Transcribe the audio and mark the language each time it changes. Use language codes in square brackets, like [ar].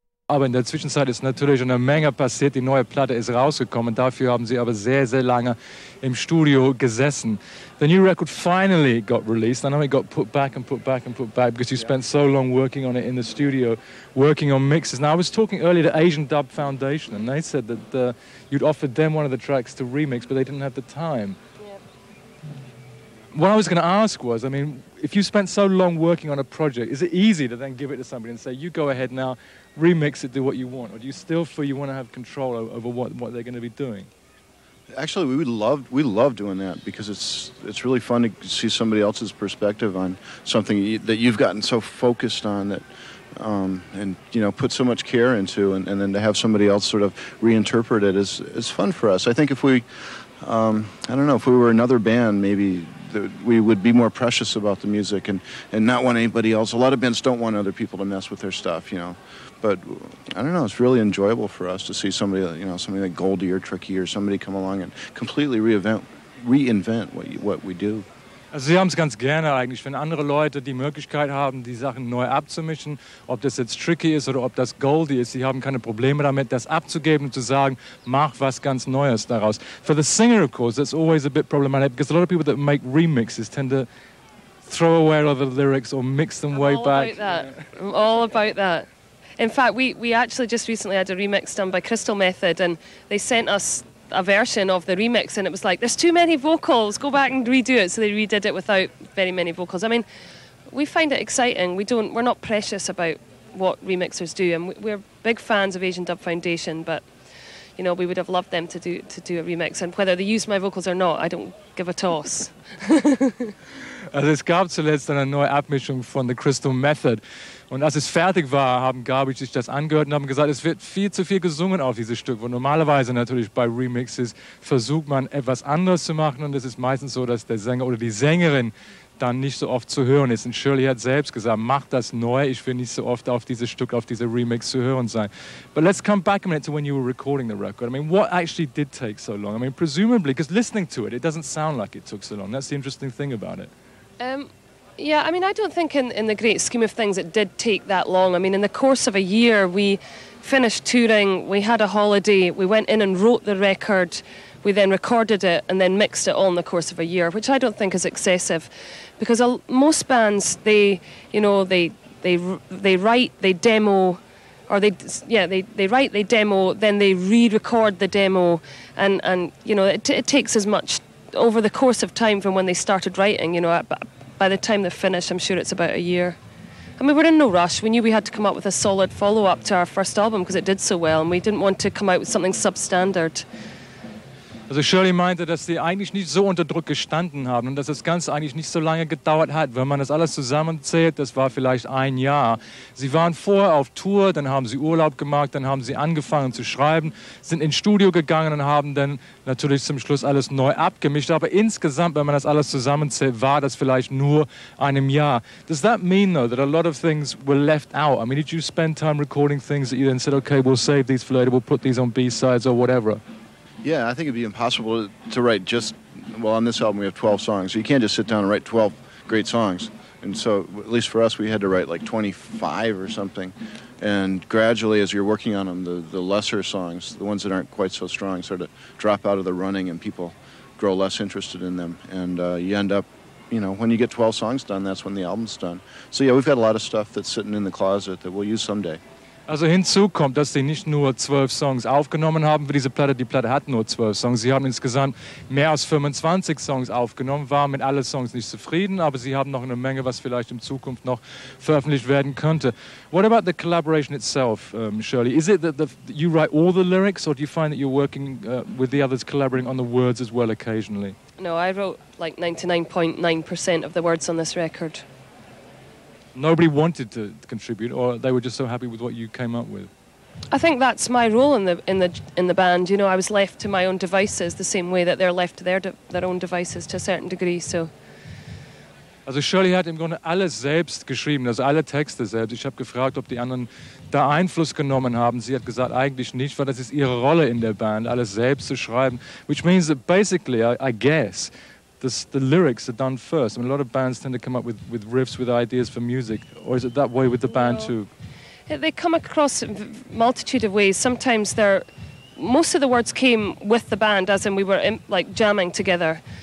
[de] Aber in der Zwischenzeit ist natürlich schon eine Menge passiert. Die neue Platte ist rausgekommen. Dafür haben sie aber sehr, sehr lange im Studio gesessen. [en] The new record finally got released. I know it got put back and put back and put back because you spent so long working on it in the studio, working on mixes. Now, I was talking earlier to Asian Dub Foundation, and they said that you'd offered them one of the tracks to remix, but they didn't have the time. What I was going to ask was, I mean, if you spent so long working on a project, is it easy to then give it to somebody and say, you go ahead now, remix it, do what you want? Or do you still feel you want to have control over what they're going to be doing? Actually, we love doing that because it's really fun to see somebody else's perspective on something that you've gotten so focused on that and, you know, put so much care into, and then to have somebody else sort of reinterpret it is fun for us. I think if we, I don't know, if we were another band, maybe that we would be more precious about the music and not want anybody else. A lot of bands don't want other people to mess with their stuff, you know. But I don't know, it's really enjoyable for us to see somebody, you know, somebody like Goldie or Tricky or somebody come along and completely reinvent what we do. [de] Also sie haben es ganz gerne eigentlich, wenn andere Leute die Möglichkeit haben, die Sachen neu abzumischen, ob das jetzt tricky ist oder ob das goldie ist, sie haben keine Probleme damit, das abzugeben und zu sagen, mach was ganz Neues daraus. [en] For the singer, of course, that's always a bit problematic, because a lot of people that make remixes tend to throw away all the lyrics or mix them I'm way all back. All about that. I'm all about that. In fact, we actually just recently had a remix done by Crystal Method, and they sent us a version of the remix, and it was like, there's too many vocals, go back and redo it. So they redid it without very many vocals. I mean, we find it exciting. We're not precious about what remixers do, and we're big fans of Asian Dub Foundation, but you know, we would have loved them to do a remix, and whether they use my vocals or not, I don't give a toss. [de] Also es gab zuletzt eine neue Abmischung von The Crystal Method. Und als es fertig war, haben Gabi sich das angehört und haben gesagt, es wird viel zu viel gesungen auf dieses Stück. Und normalerweise natürlich bei Remixes versucht man etwas anderes zu machen. Und es ist meistens so, dass der Sänger oder die Sängerin dann nicht so oft zu hören ist. Und Shirley hat selbst gesagt, mach das neu, ich will nicht so oft auf dieses Stück, auf diese Remix zu hören sein. [en] But let's come back a minute to when you were recording the record. I mean, what actually did take so long? I mean, presumably, because listening to it, it doesn't sound like it took so long. That's the interesting thing about it. Yeah, I mean, I don't think in the great scheme of things it did take that long. I mean, in the course of a year, we finished touring, we had a holiday, we went in and wrote the record, we then recorded it and then mixed it all in the course of a year, which I don't think is excessive. Because most bands, they write, they demo, then they re-record the demo, and you know, it takes as much over the course of time from when they started writing, you know, by the time they're finished, I'm sure it's about a year. I mean, we're in no rush. We knew we had to come up with a solid follow-up to our first album because it did so well, and we didn't want to come out with something substandard. [de] Also Shirley meinte, dass sie eigentlich nicht so unter Druck gestanden haben und dass das Ganze eigentlich nicht so lange gedauert hat. Wenn man das alles zusammenzählt, das war vielleicht ein Jahr. Sie waren vorher auf Tour, dann haben sie Urlaub gemacht, dann haben sie angefangen zu schreiben, sind ins Studio gegangen und haben dann natürlich zum Schluss alles neu abgemischt. Aber insgesamt, wenn man das alles zusammenzählt, war das vielleicht nur einem Jahr. [en] Does that mean, though, that a lot of things were left out? I mean, did you spend time recording things that you then said, okay, we'll save these for later, we'll put these on B-sides or whatever? Yeah, I think it'd be impossible to write just, well, on this album we have 12 songs, so you can't just sit down and write 12 great songs. And so, at least for us, we had to write like 25 or something. And gradually, as you're working on them, the lesser songs, the ones that aren't quite so strong, sort of drop out of the running and people grow less interested in them. And you end up, you know, when you get 12 songs done, that's when the album's done. So yeah, we've got a lot of stuff that's sitting in the closet that we'll use someday. [de] Also hinzu kommt, dass sie nicht nur 12 Songs aufgenommen haben für diese Platte. Die Platte hat nur 12 Songs. Sie haben insgesamt mehr als 25 Songs aufgenommen, waren mit allen Songs nicht zufrieden, aber sie haben noch eine Menge, was vielleicht in Zukunft noch veröffentlicht werden könnte. [en] What about the collaboration itself, Shirley? Is it that you write all the lyrics, or do you find that you're working with the others collaborating on the words as well occasionally? No, I wrote like 99.9% of the words on this record. Nobody wanted to contribute, or they were just so happy with what you came up with? I think that's my role in the band. You know, I was left to my own devices the same way that they're left to their own devices to a certain degree, so. Also Shirley hat im Grunde alles selbst geschrieben, also alle Texte selbst. Ich habe gefragt, ob die anderen da Einfluss genommen haben. Sie hat gesagt, eigentlich nicht, weil das ist ihre Rolle in der Band, alles selbst zu schreiben. Which means that basically, I guess, the lyrics are done first. I mean, a lot of bands tend to come up with riffs, with ideas for music. Or is it that way with the band too? They come across a multitude of ways. Sometimes they're... Most of the words came with the band, as in we were like jamming together.